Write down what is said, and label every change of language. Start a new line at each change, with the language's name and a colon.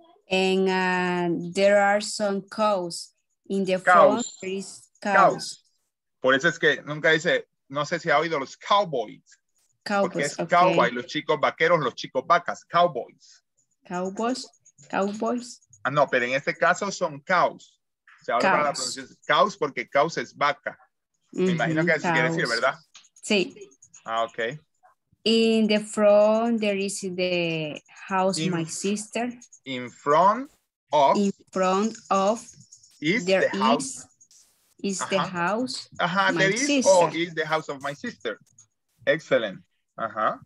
English: And there are some cows in the front. Cows.
Spanish: Por eso es que nunca dice, no sé si ha oído los cowboys.
English: Cowboys.
Spanish: Porque es cowboy, los chicos vaqueros, los chicos vacas, cowboys.
English: Cowboys.
Spanish: Ah, no, pero en este caso son cows. Se habla para la pronunciación. Cows porque cows es vaca. Mm-hmm, me imagino que así quiere decir, ¿verdad? Sí. Ah, ok.
English: In the front, there is the house my sister. In front of. Is the house of my sister. Excellent. Uh-huh.